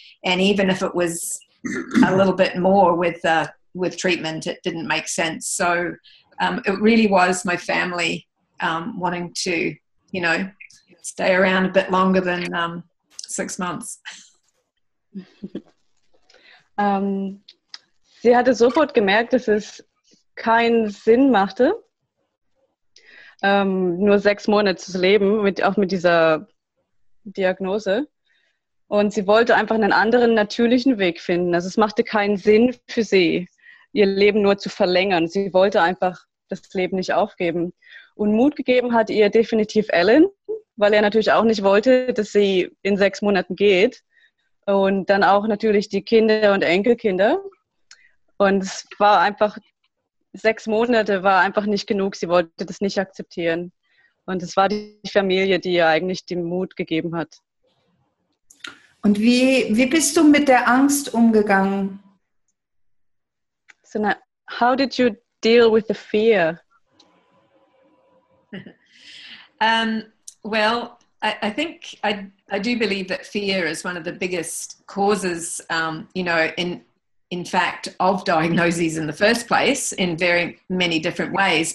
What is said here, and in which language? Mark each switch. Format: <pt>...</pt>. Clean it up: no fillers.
<en>And even if it was a little bit more with treatment, it didn't make sense. So it really was my family wanting to, stay around a bit longer than 6 months.</en> <de>Sie hatte sofort gemerkt, dass es keinen Sinn machte, nur 6 Monate zu leben, auch mit dieser Diagnose. Und sie wollte einfach einen anderen natürlichen Weg finden. Also es machte keinen Sinn für sie, ihr Leben nur zu verlängern. Sie wollte einfach das Leben nicht aufgeben. Und Mut gegeben hat ihr definitiv Alan, weil er natürlich auch nicht wollte, dass sie in 6 Monaten geht. Und dann auch natürlich die Kinder und Enkelkinder. Und es war einfach, 6 Monate war einfach nicht genug. Sie wollte das nicht akzeptieren. Und es war die Familie, die ihr eigentlich den Mut gegeben hat. Und wie bist du mit der Angst umgegangen?</de> <en>So now, how did you deal with the fear? I think I do believe that fear is one of the biggest causes, in fact, of diagnoses in the first place in very many different ways.</en>